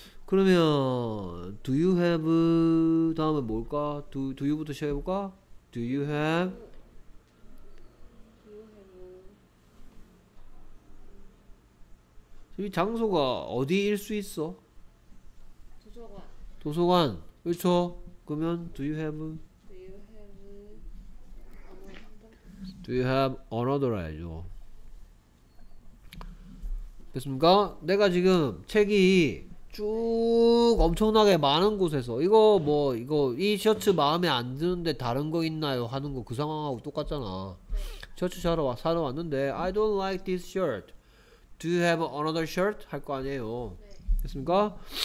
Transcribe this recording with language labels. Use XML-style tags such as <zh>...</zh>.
<ko>그러면</ko> <en>do you have</en> <ko>다음에 뭘까?</ko> <en>do you부터</en> <ko>시작해 볼까?</ko> <en>do you have do you have</en> <ko>이 장소가 어디일 수 있어? 도서관. 그렇죠. 그러면</ko> <en>do you have Do you have another</en> <ko>해야죠. 됐습니까? 내가 지금 책이 쭉 엄청나게 많은 곳에서 이거 이 셔츠 마음에 안 드는데 다른 거 있나요? 하는 거 그 상황하고 똑같잖아. 셔츠 사러 왔는데</ko> <en>I don't like this shirt. Do you have another shirt?</en> <ko>할 거 아니에요. 됐습니까?</ko>